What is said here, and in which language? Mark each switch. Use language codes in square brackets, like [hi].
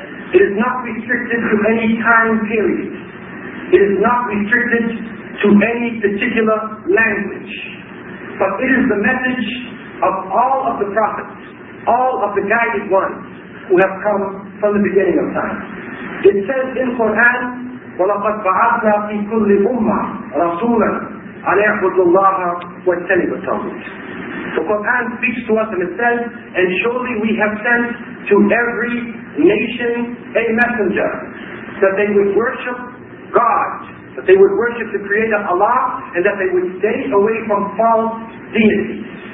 [en] It is not restricted to any time period. It is not restricted to any particular language. But it is the message of all of the prophets, all of the guided ones who have come from the beginning of time. It says in Quran, [ar] وَلَقَدْ بَعَثْنَا فِي كُلِّ أُمَّةٍ رَسُولًا أَنْ يَعْبُدُوا اللَّهَ وَاجْتَنِبُوا الطَّاغُوتَ. [en] The Quran speaks to us and it says, and surely we have sent to every nation a messenger that they would worship God, that they would worship the Creator Allah, and that they would stay away from false deities.